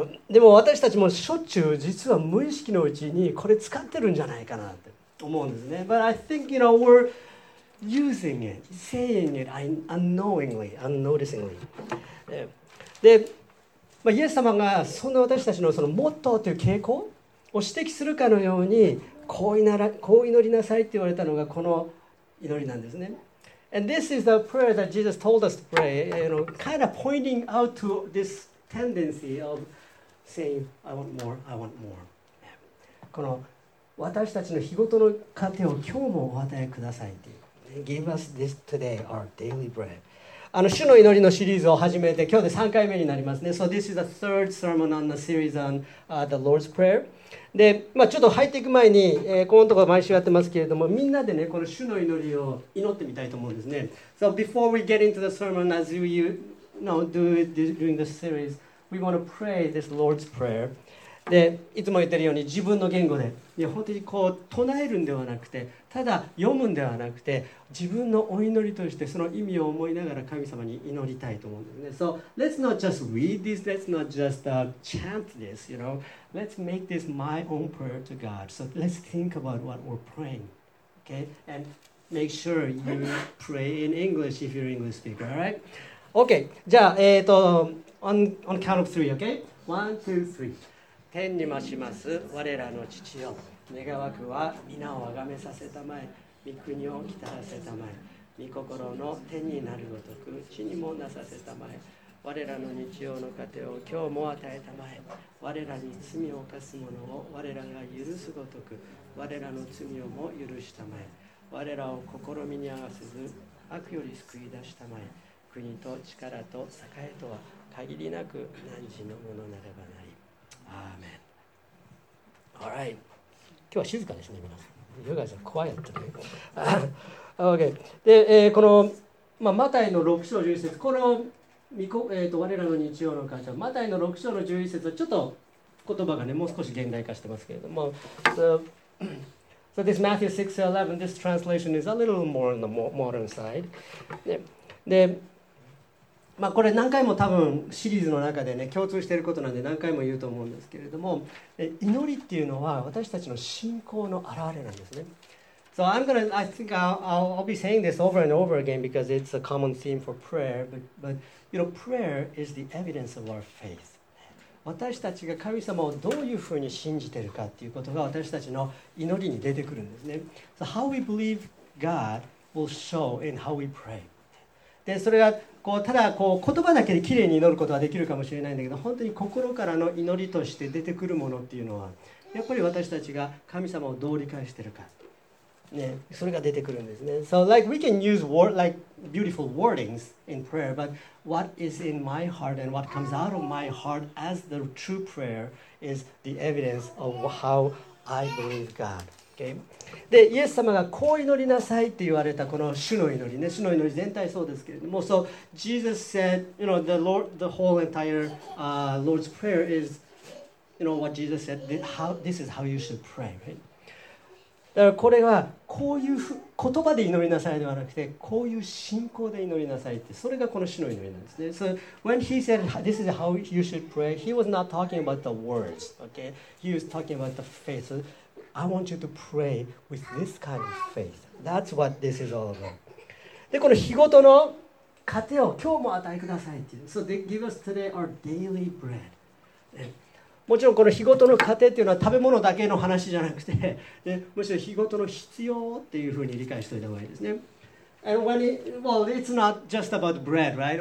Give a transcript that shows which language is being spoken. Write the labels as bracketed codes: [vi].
[ja] でも私たちもしょっちゅう実は無意識のうちにこれ使ってるんじゃないかなって思うんですね。 [en] But I think, you know, we're using it, saying it unknowingly, unnoticingly. [ja] で、まあ、イエス様がそんな私たちのそのモットーという傾向を指摘するかのようにこう祈りなさいって言われたのがこの祈りなんですね。 [en] And this is the prayer that Jesus told us to pray, you know, kind of pointing out to thisTendency of saying, I want more, I want more. [ja] この私たちの日ごとの糧を今日もお与えくださいっていう。 [en] Give us this today, our daily bread. [ja] 主の祈りのシリーズを始めて、今日で3回目になりますね。 [en] So this is the third sermon on the series on the Lord's Prayer. [ja] で、まあ、ちょっと入っていく前に、このところ毎週やってますけれども、みんなでね、この主の祈りを祈ってみたいと思うんですね。 [en] So before we get into the sermon, as you... during this series, we want to pray this Lord's Prayer. [ja] で、いつも言ってるように自分の言語で、いや本当にこう唱えるんではなくて、ただ読むんではなくて、自分のお祈りとしてその意味を思いながら神様に祈りたいと思うんですね。 [en] So let's not just read this, let's not just chant this, you know. Let's make this my own prayer to God. So let's think about what we're praying, okay? And make sure you pray in English if you're an English speaker, all right? Okay, じゃあ、on count of three, okay? One, two, three. [ja] 天にまします、我らの父よ。願わくは、皆をあがめさせたまえ、御国をきたらせたまえ、御心の天になるごとく、地にもなさせたまえ、我らの日曜の糧を今日も与えたまえ、我らに罪を犯す者を我らが許すごとく、我らの罪をも許したまえ、我らを試みに合わせず、悪より救い出したまえ、国と力と栄えとは限りなく何時のものならばなり。アーメン。 [en] All right. [ja] 今日は静かですね、皆さん。 [en] You guys are quiet today. Okay. [ja] で、この、まあ、マタイの6章11節、この我らの日曜の会社、マタイの6章の11節はちょっと言葉がね、もう少し現代化してますけれども。 [en] So this Matthew 6:11, this translation is a little more on the modern side. [ja] で、まあ、これ何回も多分シリーズの中でね共通していることなんで何回も言うと思うんですけれども、祈りっていうのは私たちの信仰の表れなんですね。 [en] So I'm gonna, I think I'll be saying this over and over again because it's a common theme for prayer, but you know, prayer is the evidence of our faith. [ja] 私たちが神様をどういうふうに信じているかっていうことが私たちの祈りに出てくるんですね。 [en] So how we believe God will show in how we pray. [ja] で、それがこうただこう言葉だけできれいに祈ることはできるかもしれないんだけど、本当に心からの祈りとして出てくるものっていうのはやっぱり私たちが神様をどう理解しているか、ね、それが出てくるんですね。 [en] So like we can use word, like beautiful wordings in prayer, but what is in my heart and what comes out of my heart as the true prayer is the evidence of how I believe God. Okay. [ja] でイエス様がこう祈りなさいって言われたこの主の祈りね、主の祈り全体そうですけれども、 [en] so Jesus said, you know, the Lord, the whole entire, Lord's prayer is, you know, what Jesus said, how, this is how you should pray, right? [ja] だからこれはこういう言葉で祈りなさいではなくて、こういう信仰で祈りなさいって、それがこの主の祈りなんですね。 [en] So when he said, this is how you should pray, he was not talking about the words, okay? He was talking about the faith. I want you to pray with this kind of faith. That's what this is all about. [ja] で、この日ごとの糧を今日も与えくださいっていう。 [en] So they give us today our daily bread. [ja] もちろんこの日ごとの糧っていうのは食べ物だけの話じゃなくて、でむしろ日ごとの必要っていうふうに理解しておいた方がいいですね。 [en] And when it, well, it's not just about bread, right?